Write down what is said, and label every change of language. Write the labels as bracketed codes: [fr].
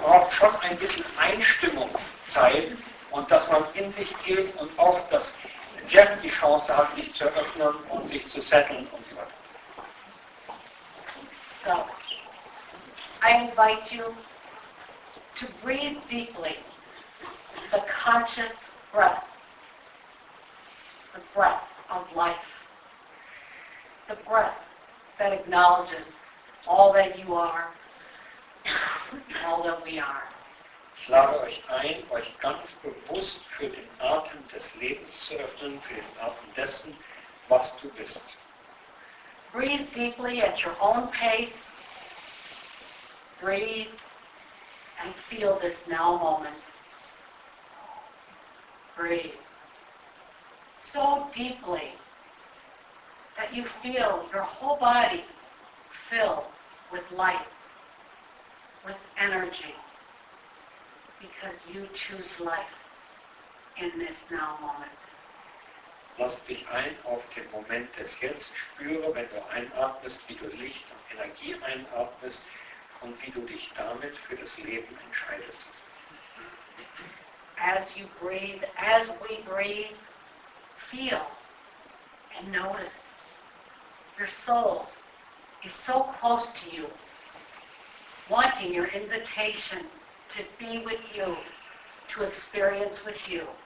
[de] schon ein bisschen Einstimmungszeiten und dass man in sich geht und auch, dass Jeff die Chance hat, sich zu öffnen und sich zu setteln und so weiter. [en] So, I invite you to breathe deeply the conscious breath, the breath of life, the breath that acknowledges all that you are, all that we are. [de] Ich lade euch ein, euch ganz bewusst für den Atem des Lebens zu öffnen, für den Atem dessen, was du bist. [en] Breathe deeply at your own pace. Breathe and feel this now moment. Breathe. So deeply that you feel your whole body fill with light, with energy, because you choose life in this now moment. [de] Lass dich ein auf den Moment des Jetzt, spüre, wenn du einatmest, wie du Licht und Energie einatmest und wie du dich damit für das Leben entscheidest. [en] As you breathe, as we breathe, feel and notice your soul is so close to you, wanting your invitation to be with you, to experience with you.